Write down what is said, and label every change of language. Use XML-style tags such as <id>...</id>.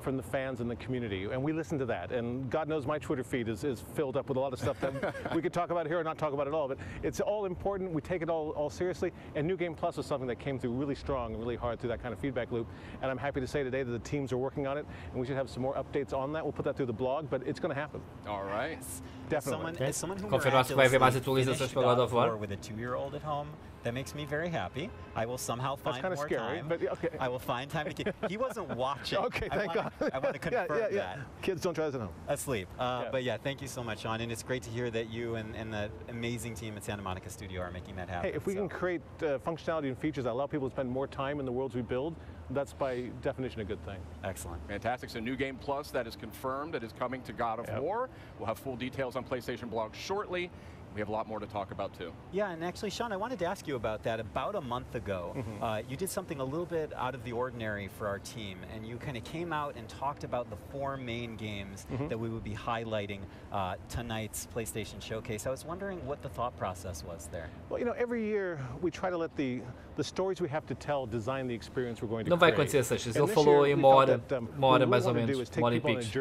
<en>from the fans and the community, and we listen to that. And God knows my Twitter feed is filled up with a lot of stuff that we could talk about here or not talk about at all, but it's all important. We take it all seriously, and New Game Plus was something that came through really strong and really hard through that kind of feedback loop, and I'm happy to say today that the teams are working on it, and we should have some more updates on that. We'll put that through the blog, but it's going to happen. All right. Definitely.</en> <pt>Confirmar-se que vai haver mais atualizações para God of War.</pt> <en>With a two-year-old at home. That makes me very happy. I will somehow find more scary, time. But okay. I will find time to keep. He wasn't watching. Okay, thank God. I want to confirm that. Kids, don't try this at home. Asleep. But yeah, thank you so much, Sean. And it's great to hear that you and the amazing team at Santa Monica Studio are making that happen. Hey, if we can create functionality and features that allow people to spend more time in the worlds we build, that's by definition a good thing. Excellent. Fantastic. So New Game Plus, that is confirmed. It is coming to God of War. We'll have full details on PlayStation blog shortly. We have a lot more to talk about, too. Yeah, and actually, Sean, I wanted to ask you about that. About a month ago, you did something a little bit out of the ordinary for our team, and you kind of came out and talked about the four main games that we would be highlighting tonight's PlayStation Showcase. I was wondering what the thought process was there. Well, you know, every year we try to let the stories we have to tell design the experience we're going to</en> <pt>create. Não vai acontecer, Seixas. Ele falou em uma hora, mais ou menos, uma hora e pico.</pt>